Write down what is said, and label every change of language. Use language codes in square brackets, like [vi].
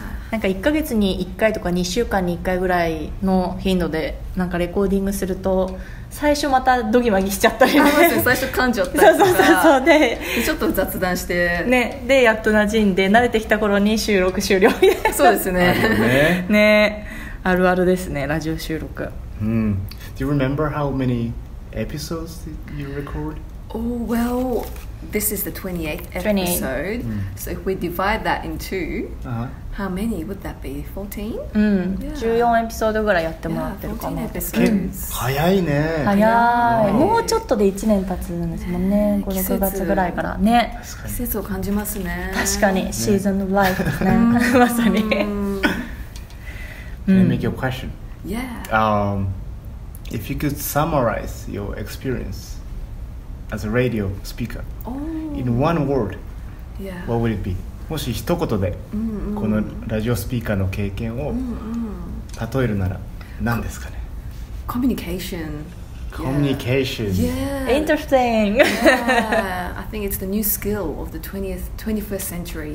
[ja] なんか1ヶ月に1回とか2週間に1回ぐらいの頻度でなんかレコーディングすると最初またドギマギしちゃったり、ね、最初噛んじゃったりとか、そうそうそう、でちょっと雑談して、ね、でやっと馴染んで慣れてきた頃に収録終了みたいな。そうです ね, あ る, ねあるあるですね、ラジオ収録。 [en] Do you remember how many episodes did you record? Oh well, this is the 28th episode. So if we divide that in two, how many would that be? 14? Yeah. 14 episodes [ja] ぐらいやってもらってるかも。 [en] 14 episodes. [ja] 早いね。早い。もうちょっとで1年経つんですもんね。この9月ぐらいからね。季節を感じますね。確かに。シーズンオブライフですね。まさに。 [en] Can I make you a question? Yeah. If you could summarize your experience as a radio speaker in one word, what would it be? [ja] もし一言でこのラジオスピーカーの経験を例えるなら何ですかね? [en] Communication. Communication. Yeah. Interesting. Yeah. I think it's the new skill of the 21st century.